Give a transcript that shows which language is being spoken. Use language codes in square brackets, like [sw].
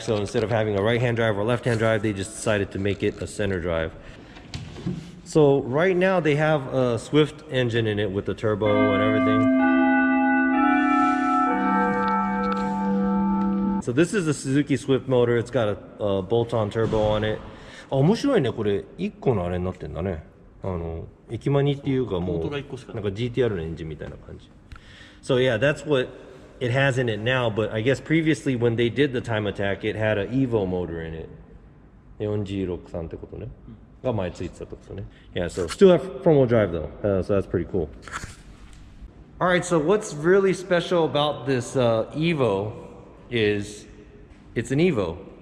[en] So instead of having a right-hand drive or left-hand drive, they just decided to make it a center drive. So right now they have a Swift engine in it with the turbo and everything. So this is a Suzuki Swift motor. It's got a bolt-on turbo on it. [ja] Ah, 面白いね。これ一個のあれになってんだね。あの、駅マニっていうかもう、なんか GTR のエンジンみたいな感じ。 [en] So yeah, that's what it has in it now, but I guess previously when they did the time attack, it had an Evo motor in it. [ja] 463ってことね。が前ついてたとかね。 [en] Yeah, so still have front wheel drive though. So that's pretty cool. Alright, so what's really special about this Evo is it's an Evo.